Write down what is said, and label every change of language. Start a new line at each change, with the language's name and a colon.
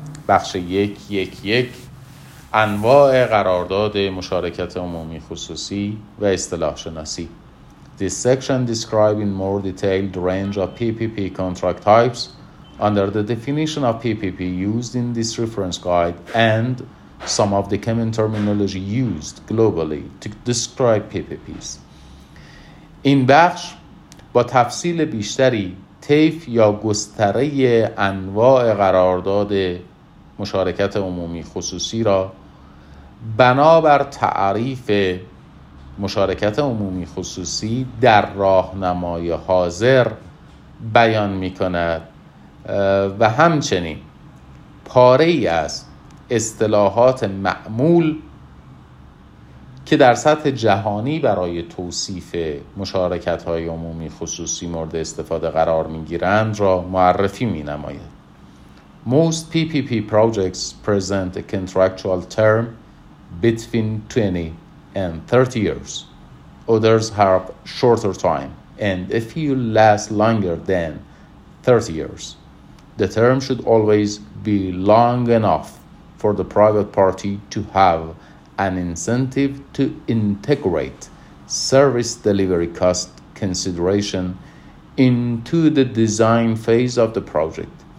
Persian: بخش 1.1.1 انواع قرارداد مشارکت عمومی خصوصی و اصطلاح شناسی.
English: This section describes in more detailed range of PPP contract types under the definition of PPP used in this reference guide and some of the common terminology used globally to describe PPPs.
Persian: این بخش با تفصیل بیشتری طیف یا گستره انواع قرارداد مشارکت عمومی خصوصی را بنابر تعریف مشارکت عمومی خصوصی در راهنمای حاضر بیان می کند و همچنین پاره ای از اصطلاحات معمول که در سطح جهانی برای توصیف مشارکت های عمومی خصوصی مورد استفاده قرار می گیرند را معرفی می نماید.
English: Most PPP projects present a contractual term between 20 and 30 years. Others have shorter time and a few last longer than 30 years. The term should always be long enough for the private party to have an incentive to integrate service delivery cost consideration into the design phase of the project.